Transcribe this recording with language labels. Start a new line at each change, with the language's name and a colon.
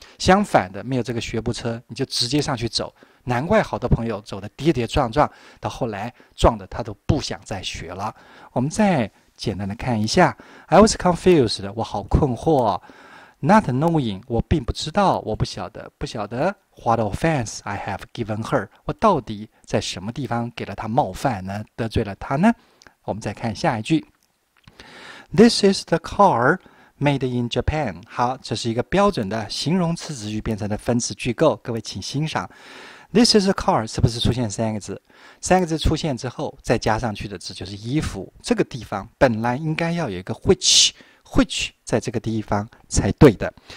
Chinese: 相反的，没有这个学步车，你就直接上去走，难怪好多朋友走得跌跌撞撞，到后来撞得他都不想再学了。我们再简单的看一下，
English: I was confused，
Chinese: 我好困惑哦。
English: Not knowing,
Chinese: 我并不知道，我不晓得，不晓得。
English: What offense I have given her?
Chinese: 我到底在什么地方给了她冒犯呢？得罪了她呢？我们再看下一句。
English: This is the car made in Japan.
Chinese: 好，这是一个标准的形容词子句变成的分词句构。各位请欣赏。
English: This is a car,
Chinese: 是不是出现三个字？三个字出现之后，再加上去的字就是衣服。这个地方本来应该要有一个 which 在这个地方才对的。